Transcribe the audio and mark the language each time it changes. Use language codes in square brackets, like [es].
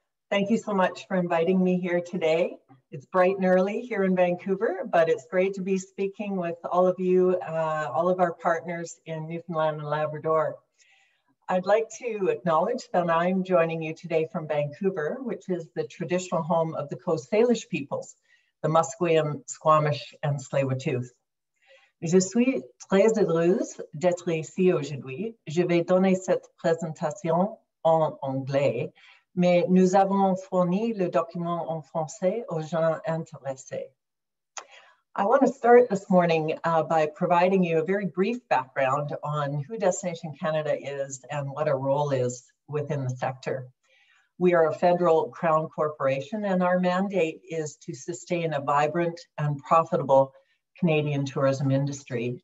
[en] Thank you so much for inviting me here today. It's bright and early here in Vancouver, but it's great to be speaking with all of you, all of our partners in Newfoundland and Labrador. I'd like to acknowledge that I'm joining you today from Vancouver, which is the traditional home of the Coast Salish peoples, the Musqueam, Squamish, and Tsleil-Waututh. [fr] Je suis très heureuse d'être ici aujourd'hui. Je vais donner cette présentation en anglais, mais nous avons fourni le document en français aux gens intéressés. [en] I want to start this morning by providing you a very brief background on who Destination Canada is and what our role is within the sector. We are a federal crown corporation, and our mandate is to sustain a vibrant and profitable Canadian tourism industry.